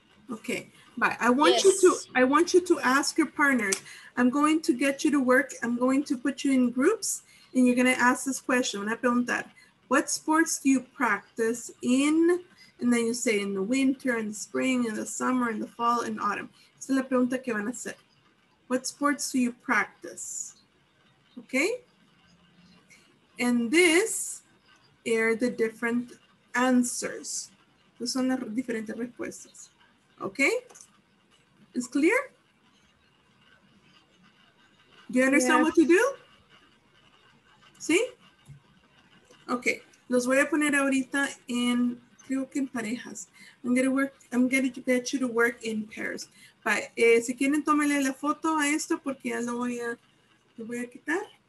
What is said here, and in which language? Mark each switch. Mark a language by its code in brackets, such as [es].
[en] Okay, bye. I want you to ask your partners. I'm going to get you to work. I'm going to put you in groups and you're gonna ask this question. [es] Una pregunta. [en] What sports do you practice in? And then you say in the winter, in the spring, in the summer, in the fall, in autumn. [es] Esa es la pregunta que van a hacer. [en] What sports do you practice? Okay? And this are the different answers. [es] Those son las diferentes respuestas. [en] Okay? Is clear? Do you understand what to do? ¿Sí? Okay. [es] Los voy a poner ahorita en, creo que en parejas. [en] I'm going to get you to work in pairs. [es] But si quieren, tómale la foto a esto porque ya lo voy a quitar.